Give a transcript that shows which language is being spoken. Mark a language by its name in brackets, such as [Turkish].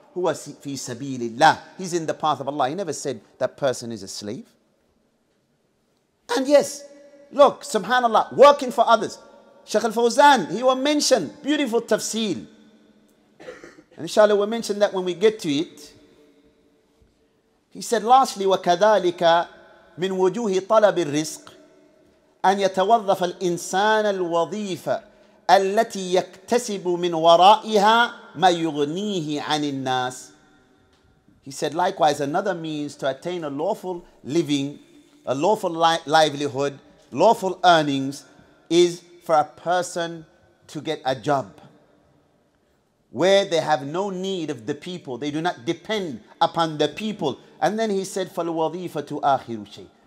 [Arabic] Huwa fi sabilillah. [English] He's in the path of Allah. He never said that person is a slave. And yes, look, subhanAllah, working for others. Shaykh al-Fawzan, he will mention beautiful tafsil. And inshallah, we'll mention that when we get to it. He said, lastly, [Arabic] وَكَذَلِكَ مِنْ وُجُوهِ طَلَبِ الرِّزْقِ أَنْ يَتَوَظَّفَ الْإِنسَانَ الْوَظِيفَ الَّتِي يَكْتَسِبُ مِنْ وَرَائِهَا مَا يُغْنِيهِ عَنِ النَّاسِ. [English] He said, likewise, another means to attain a lawful living, a lawful livelihood, lawful earnings, is for a person to get a job where they have no need of the people. They do not depend upon the people. And then he said, [Arabic] فَالْوَظِيفَةُ آخِرُ شَيْءٍ.